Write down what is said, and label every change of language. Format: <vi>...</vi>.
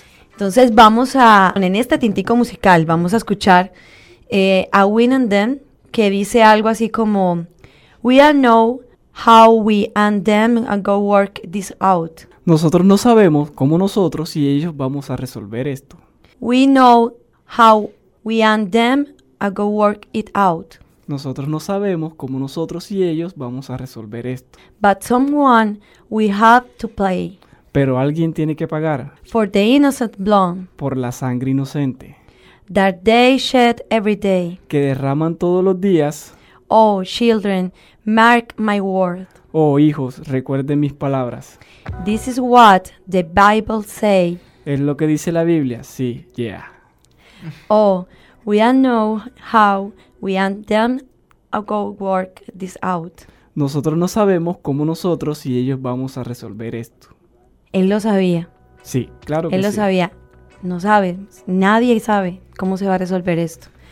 <es>Entonces vamos a, en este tintico musical, vamos a escuchar a Win and Them, que dice algo así como:</es> <en>we don't know how we and them are going to work this out.</en> <es>Nosotros no sabemos cómo nosotros y ellos vamos a resolver esto.</es> <en>We know how we and them are going to work it out.</en> <es>Nosotros no sabemos cómo nosotros y ellos vamos a resolver esto.</es> <en>But someone we have to pay.</en> <es>Pero alguien tiene que pagar.</es> <en>For the innocent blood.</en> <es>Por la sangre inocente.</es> <en>That they shed every day.</en> <es>Que derraman todos los días.</es> <en>Oh, children, mark my word.</en> <es>Oh, hijos, recuerden mis palabras.</es> <en>This is what the Bible say.</en> <es>Es lo que dice la Biblia, sí, yeah.</es> <en>Oh, we don't know how we and them are going to work this out.</en> <es>Nosotros no sabemos cómo nosotros y ellos vamos a resolver esto. Él lo sabía. Sí, claro que sí. Él lo sí. sabía. No sabe. Nadie sabe cómo se va a resolver esto.</es>